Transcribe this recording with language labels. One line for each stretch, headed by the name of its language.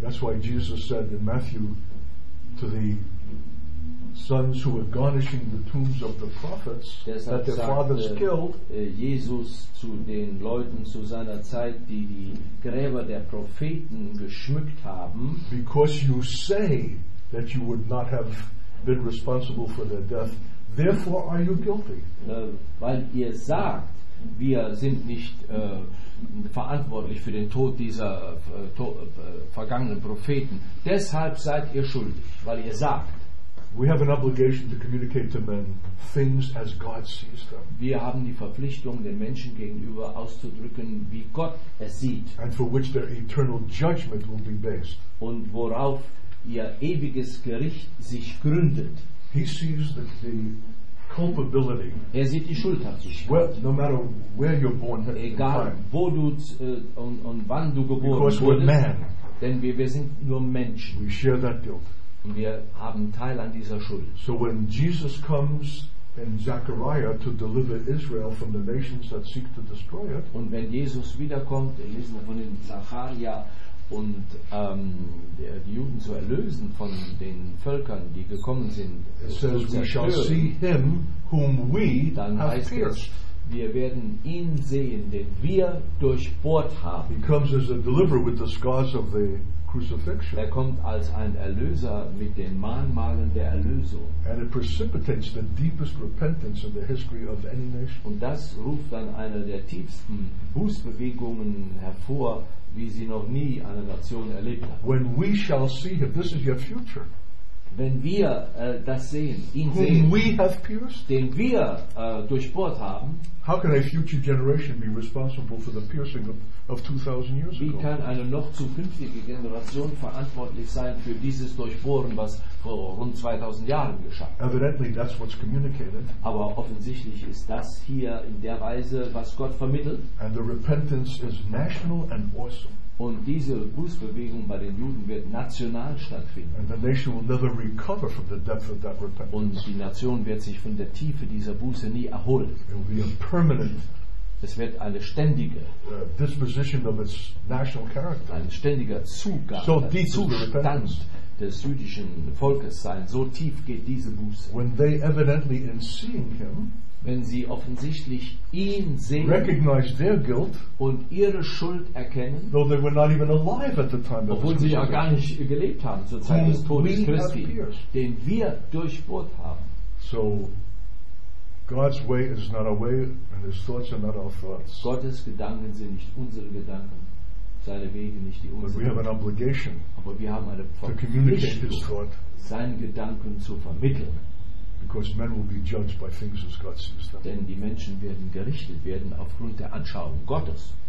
English: That's why Jesus said in Matthew to the sons who were garnishing the tombs of the prophets that their fathers killed.
German: Jesus zu den Leuten zu seiner Zeit, die die Gräber der Propheten geschmückt haben.
English: Because you say that you would not have been responsible for their death, therefore are you guilty?
German: Weil ihr sagt, wir sind nicht verantwortlich für den Tod dieser vergangenen Propheten. Deshalb seid ihr schuldig, weil ihr sagt.
English: We have an obligation to communicate to men things as God sees them.
German: Wir haben die Verpflichtung, den Menschen gegenüber auszudrücken, wie Gott es sieht.
English: And for which their eternal judgment will be based.
German: Und worauf ihr ewiges Gericht sich gründet.
English: He sees that the culpability.
German: Er sieht die Schuld hat sich.
English: Well, no matter where you're born,
German: egal wo du und wann du geboren
English: bist. Because we're man.
German: Denn wir sind nur Menschen.
English: We share that guilt.
German: Wir haben Teil an dieser Schuld.
English: So when Jesus comes in Zechariah to deliver Israel from the nations that seek to destroy it.
German: Und wenn Jesus wiederkommt, wir lesen von den Zechariah und die Juden zu erlösen von den Völkern, die gekommen sind.
English: It says we shall see him whom we have pierced.
German: Wir werden ihn sehen, den wir durchbohrt haben.
English: He comes as a deliverer with the scars of the crucifixion.
German: Er kommt als ein Erlöser mit den Mahnmalen der Erlösung.
English: And it precipitates the deepest repentance in the history of any nation.
German: Und das ruft dann eine der tiefsten Bußbewegungen hervor, wie sie noch nie eine Nation erlebt hat.
English: When we shall see him, this is your future.
German: Wenn wir das sehen, ihn
English: whom
German: sehen,
English: we have pierced,
German: den wir durchbohrt haben,
English: how can a future generation be responsible for the piercing of 2000 years
German: wie
English: ago?
German: Wie kann eine noch zukünftige Generation verantwortlich sein für dieses Durchbohren, was vor rund 2000 Jahren geschah?
English: Evidently, that's what's communicated.
German: Aber offensichtlich ist das hier in der Weise, was Gott vermittelt.
English: And the repentance is national and awesome.
German: Und diese Bußbewegung bei den Juden wird national stattfinden.
English: And the nation will never recover from the depth of that repentance.
German: Und die Nation wird sich von der Tiefe dieser Buße nie erholen.
English: It will be a permanent,
German: es wird eine ständige
English: disposition of its national character.
German: Ein ständiger Zugang, so ein Zustand des jüdischen Volkes sein. So tief geht diese Buße.
English: When they evidently in seeing him,
German: wenn sie offensichtlich ihn sehen,
English: recognize their guilt,
German: und ihre Schuld erkennen,
English: though they were not even alive at the time of,
German: obwohl sie ja gar nicht gelebt haben zur Zeit des Todes Christi, den wir durchbohrt haben.
English: So God's way is not our way and his thoughts are not our thoughts.
German: Gottes Gedanken sind nicht unsere Gedanken, seine Wege nicht die unseren.
English: But we have an obligation,
German: aber wir haben eine Verpflichtung, seine Gedanken zu vermitteln.
English: Because men will be judged by things as God sees them.
German: Denn die Menschen werden gerichtet werden aufgrund der Anschauung Gottes.